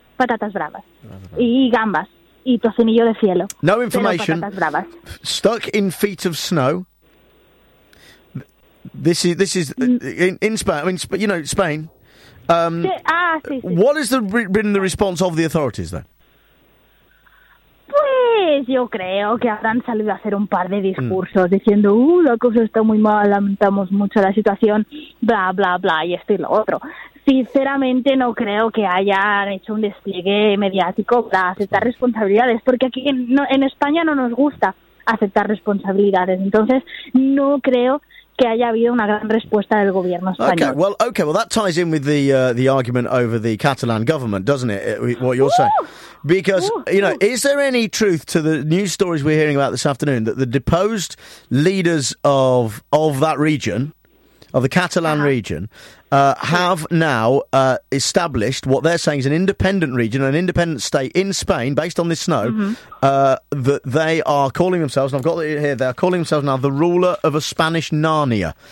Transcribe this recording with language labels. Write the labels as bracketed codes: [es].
[es] Patatas bravas. Y gambas. Y tocinillo de cielo. [en] No information. [es] Patatas bravas. [en] Stuck in feet of snow. This is in Spain. I mean, you know, Spain. What has been the response of the authorities then? [es] Pues yo creo que habrán salido a hacer un par de discursos diciendo, la cosa está muy mal, lamentamos mucho la situación, bla, bla, bla, y esto y lo otro. Sinceramente, no creo que hayan hecho un despliegue mediático para aceptar responsabilidades, porque aquí en España no nos gusta aceptar responsabilidades. Entonces, no creo que haya habido una gran respuesta del gobierno español. [en] Okay, well, that ties in with the argument over the Catalan government, doesn't it, what you're saying? Because, is there any truth to the news stories we're hearing about this afternoon, that the deposed leaders of that region, of the Catalan region, have now established what they're saying is an independent region, an independent state in Spain, based on this snow, that they are calling themselves, and I've got it here, they're calling themselves now the ruler of a Spanish Narnia.